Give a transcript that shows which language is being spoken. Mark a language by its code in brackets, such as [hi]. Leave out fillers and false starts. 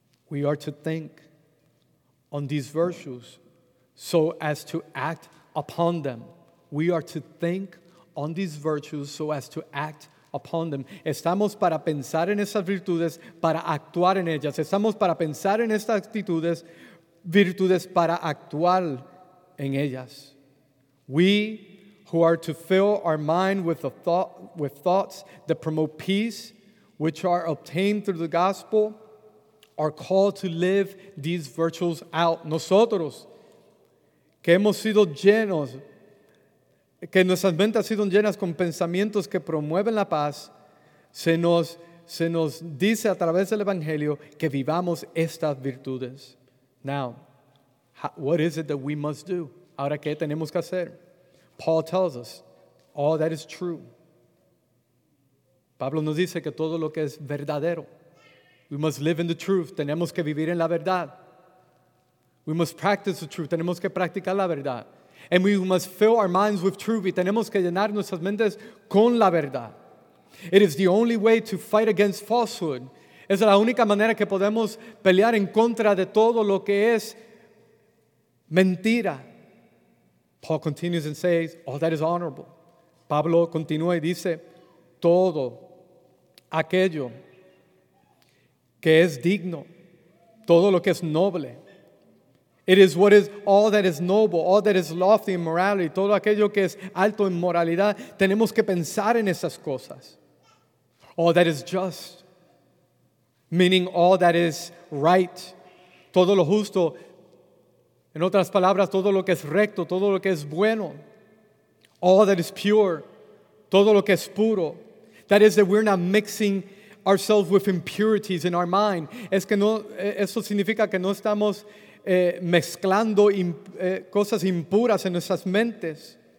[en] We are to think on these virtues so as to act upon them. We are to think on these virtues so as to act upon them. [es] Estamos para pensar en esas virtudes, para actuar en ellas. Estamos para pensar en estas actitudes, virtudes para actuar en ellas. [en] We who are to fill our mind with the thought, with thoughts that promote peace, which are obtained through the gospel, are called to live these virtues out. [es] Nosotros, que hemos sido llenos, que nuestras mentes han sido llenas con pensamientos que promueven la paz, se nos dice a través del Evangelio que vivamos estas virtudes. [en] Now, what is it that we must do? [es] Ahora, ¿qué tenemos que hacer? [en] Paul tells us, all that is true. [es] Pablo nos dice que todo lo que es verdadero. [en] We must live in the truth. [es] Tenemos que vivir en la verdad. [en] We must practice the truth. [es] Tenemos que practicar la verdad. [en] And we must fill our minds with truth. [es] Y tenemos que llenar nuestras mentes con la verdad. [en] It is the only way to fight against falsehood. [es] Es la única manera que podemos pelear en contra de todo lo que es mentira. [en] Paul continues and says, all that is honorable. [es] Pablo continúa y dice, todo aquello que es digno, todo lo que es noble. [en] It is what is all that is noble, all that is lofty in morality, [es] todo aquello que es alto en moralidad. Tenemos que pensar en esas cosas. [en] All that is just, meaning all that is right, [es] todo lo justo. En otras palabras, todo lo que es recto, todo lo que es bueno. [en] All that is pure, [es] todo lo que es puro. [en] That is that we're not mixing ourselves with impurities in our mind. [es] Es que no, eso significa que no estamos mezclando cosas impuras en nuestras mentes.